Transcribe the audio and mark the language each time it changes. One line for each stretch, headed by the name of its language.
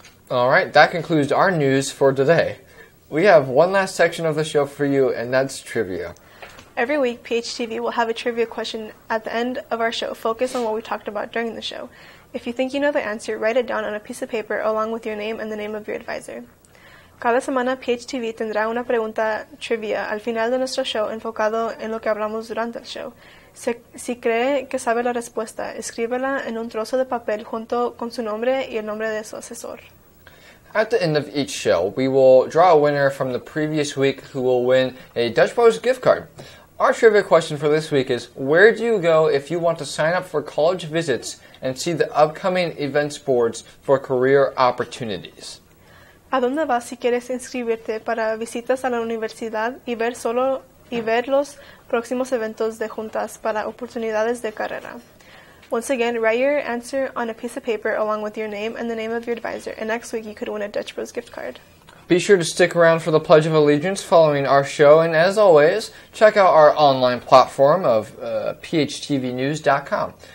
English: All right, that concludes our news for today. We have one last section of the show for you, and that's trivia. Every week, PHTV will have a trivia question at the end of our show, focused on what we talked about during the show. If you think you know the answer, write it down on a piece of paper along with your name and the name of your advisor.
Spanish: Cada semana, PHTV tendrá una pregunta trivia al final de nuestro show enfocado en lo que hablamos durante el show. Si cree que sabe la respuesta, escríbela en un trozo de papel junto con su nombre y el nombre de su asesor.
English: At the end of each show, we will draw a winner from the previous week who will win a Dutch Bros gift card. Our trivia question for this week is, where do you go if you want to sign up for college visits and see the upcoming events boards for career opportunities?
Spanish: ¿A dónde vas si quieres inscribirte para visitas a la universidad y ver solo y ver los próximos eventos de juntas para oportunidades de carrera?
English: Once again, write your answer on a piece of paper along with your name and the name of your advisor, and next week you could win a Dutch Bros gift card. Be sure to stick around for the Pledge of Allegiance following our show, and as always, check out our online platform of phtvnews.com.